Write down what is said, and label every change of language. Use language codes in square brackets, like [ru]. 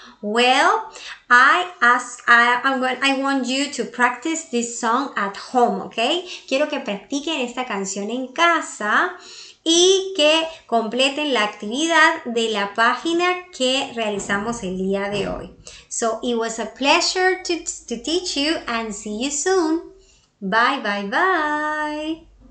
[en] Well, I want you to practice this song at home, okay? [es] Quiero que practiquen esta canción en casa y que completen la actividad de la página que realizamos el día de hoy. [en] So, it was a pleasure to teach you and see you soon. Bye, bye, bye.